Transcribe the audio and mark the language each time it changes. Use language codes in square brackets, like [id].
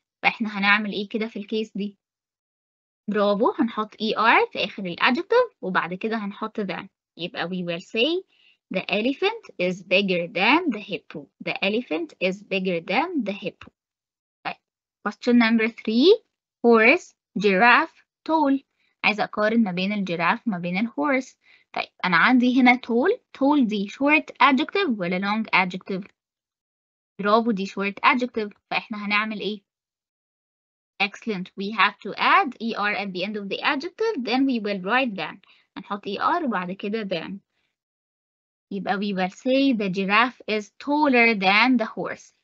[ar] فاحنا هنعمل ايه كده في الكيس دي؟ برافو، هنحط er في اخر الadjective وبعد كده هنحط than. [en] يبقى we will say the elephant is bigger than the hippo. The elephant is bigger than the hippo. Question number three, horse, giraffe, tall. [ar] عايزة أقارن ما بين الجراف ما بين الهورس. طيب أنا عندي هنا tall. Tall دي short adjective ولا long adjective؟ برافو، دي short adjective. فإحنا هنعمل إيه؟ Excellent. [en] We have to add er at the end of the adjective. Then we will write than. [ar] هنحط er وبعد كده than. [en] يبقى we will say the giraffe is taller than the horse.